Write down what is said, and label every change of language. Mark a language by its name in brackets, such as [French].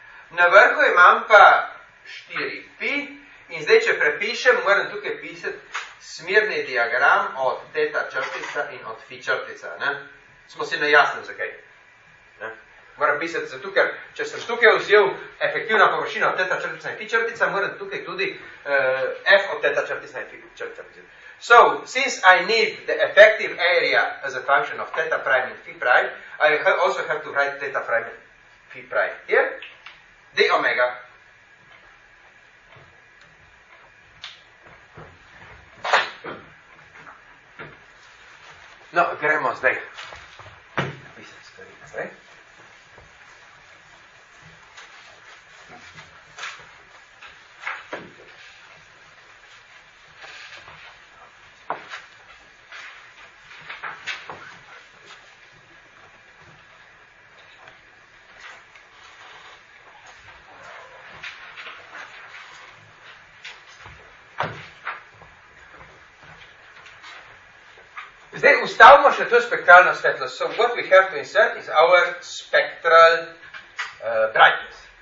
[Slovenian] Na vrhu imam pa 4 pi. In zdaj, če prepišem, moram tukaj pisati smerni diagram od teta črtica in od fi črtica. Ne? Smo si najasni, zakaj. Ne? Moram pisati, zato ker, če sem tukaj vzel efektivna površina od teta črtica in fi črtica, moram tukaj tudi f od teta črtica in fi črtica pisati. [English] So, since I need the effective area as a function of teta prime and fi prime, I also have to write teta prime and fi prime here, d omega. [Slovenian] No, gremo zdaj. Napisati stvari zdaj. Zdaj ustavimo še to spektralno svetlost. [English] So what we have to insert is our spectral brightness.